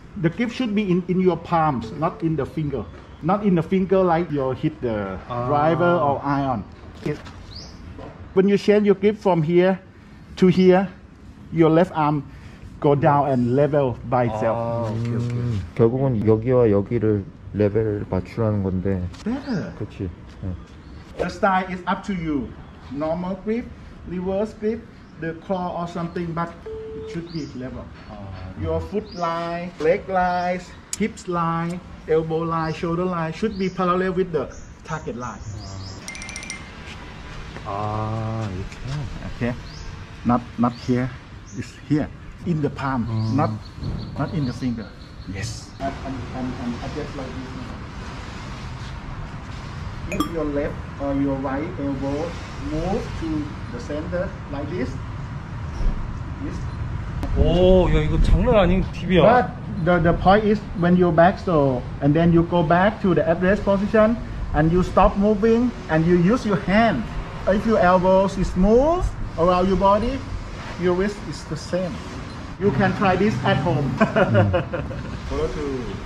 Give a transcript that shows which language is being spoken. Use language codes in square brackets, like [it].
[en] The grip should be in your palms, not in the finger. Not in the finger like you hit the driver or iron. When you change your grip from here to here, your left arm go down and level by itself. Okay. [ko] 결국은 여기와 여기를 레벨 맞추라는 건데. [en] Better. [ko] 그렇지. 네. [en] The style is up to you. Normal grip, reverse grip, the claw or something, but it should be level. Your foot line, leg lines, hips line, elbow line, shoulder line should be parallel with the target line. Okay. Not here. It's here. In the palm. Not not in the finger. Yes. And adjust like this. If your left or your right elbow move to the center like this. This. [ko] 오, 야 이거 장난 아닌 팁이야. [en] But the point is when you back so and then you go back to the address position and you stop moving and you use your hand. If your elbows is move around your body, your wrist is the same. You can try this at home. Follow to.